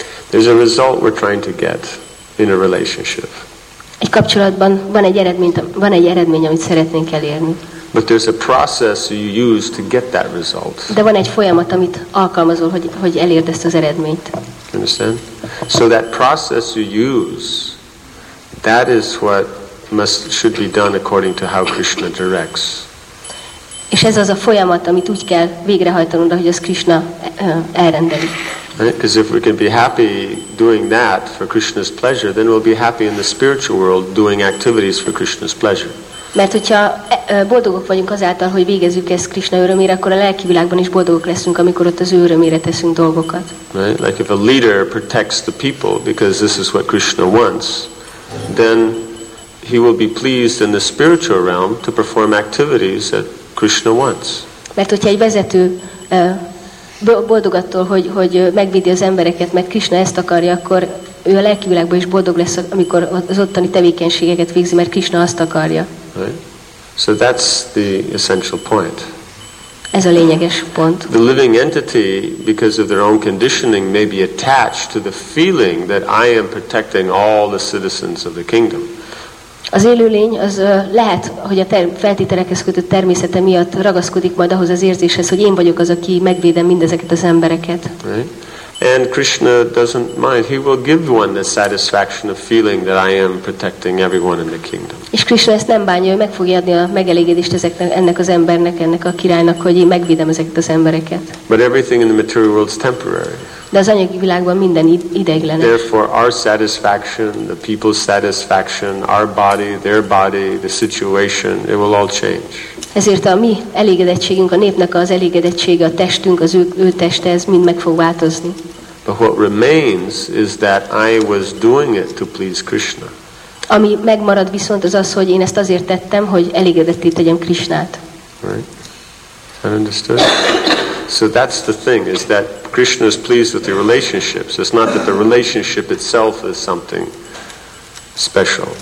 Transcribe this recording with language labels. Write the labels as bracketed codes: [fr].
[en] There's a result we're trying to get in a relationship. [hu] Egy kapcsolatban van egy eredmény, amit szeretnénk elérni. [en] But there's a process you use to get that result. [hu] De van egy folyamat, amit alkalmazol, hogy elérd ezt az eredményt. [en] Understand? So that process you use, that is what should be done according to how Krishna directs. [hu] És ez az a folyamat, amit úgy kell végrehajtanod, ahogy az Krishna elrendeli. [en] Because if we can be happy doing that for Krishna's pleasure, then we'll be happy in the spiritual world doing activities for Krishna's pleasure. [hu] Mert hogyha boldogok vagyunk azáltal, hogy végezzük ezt Krishna örömére, akkor a lelki világban is boldogok leszünk, amikor ott az ő örömére teszünk dolgokat. [en] Right? Like if a leader protects the people because this is what Krishna wants, then he will be pleased in the spiritual realm to perform activities that Krishna wants. [hu] Mert hogyha egy vezető boldog attól, hogy megvédi az embereket, mert Krishna ezt akarja, akkor ő a lelki világban is boldog lesz, amikor az ottani tevékenységeket végzi, mert Krishna azt akarja. [en] Right. So that's the essential point. [hu] Ez a lényeges pont. [en] The living entity, because of their own conditioning, may be attached to the feeling that I am protecting all the citizens of the kingdom. [hu] Az élőlény az lehet, hogy a feltételekhez kötött természete miatt ragaszkodik majd ahhoz az érzéshez, hogy én vagyok az, aki megvédem mindezeket az embereket. [en] Right. And Krishna doesn't mind. He will give one the satisfaction of feeling that I am protecting everyone in the kingdom. [hu] És Krishna ezt nem bánja, ő meg fogja adni a megelégedést ennek az embernek, ennek a királynak, hogy én megvédem ezeket az embereket. [en] But everything in the material world is temporary. [hu] De az anyagi világban minden ideiglenes. [en] Therefore, our satisfaction, the people's satisfaction, our body, their body, the situation, it will all change. [hu] Ezért a mi elégedettségünk, a népnek az elégedettsége, a testünk, az ő teste, ez mind meg fog változni. [en] But what remains is that I was doing it to please Krishna. [hu] Ami megmarad viszont az az, hogy én ezt azért tettem, hogy elégedetté tegyem Krishnát. [en] Right? I understood. So that's the thing, is that Krishna is pleased with the relationships. It's not that the relationship itself is something special.